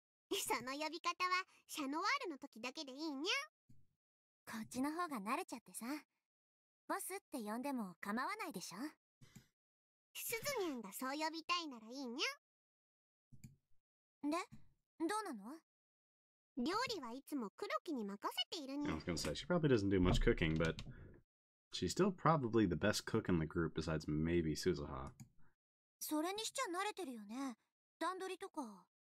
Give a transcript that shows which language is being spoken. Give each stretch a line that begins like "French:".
Japanese: その呼び方はシャノワールの時だけでいいにゃ。こっちの方が慣れちゃってさ、ボスって呼んでも構わないでしょ。スズニャンがそう呼びたいならいいにゃ。で、どうなの？料理はいつも黒木に任せているにゃ。
English: I was gonna say, she probably doesn't do much cooking, but she's still probably the best cook in the group besides maybe Suzuha.
Japanese: それにしちゃ慣れてるよね、段取りとか。